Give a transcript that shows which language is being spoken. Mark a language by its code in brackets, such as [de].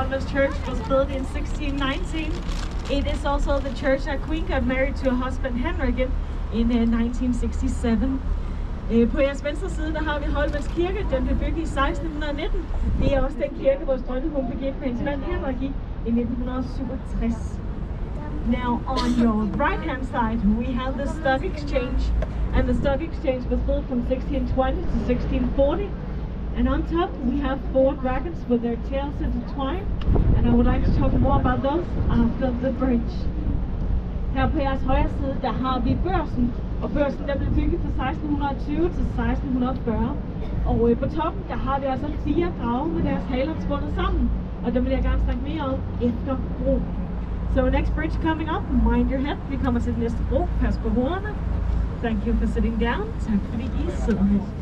[en] Church was built in 1619. It is also the church that Queen got married to her husband Henrik in 1967. [da] På jeres venstre side har vi Holmens Kirke, den blev bygget i 1619. Det også den kirke, vores dronning hun blev gift med hendes mand Henrik i 1967. [en] Now on your right hand side we have the Stock Exchange, and the Stock Exchange was built from 1620 to 1640. And on top, we have four dragons with their tails intertwined, and I would like to talk more about those after the bridge. [da] Her på jeres højre side, der har vi børsen, og børsen der blev bygget fra 1620 til 1640. Og på toppen, der har vi altså fire drager med deres haler spundet sammen, og dem vil jeg gerne snakke mere om efter bro. [en] So next bridge coming up, mind your head, [da] vi kommer til den næste bro, pas på hovederne. [en] Thank you for sitting down, [da] tak fordi I sidder her.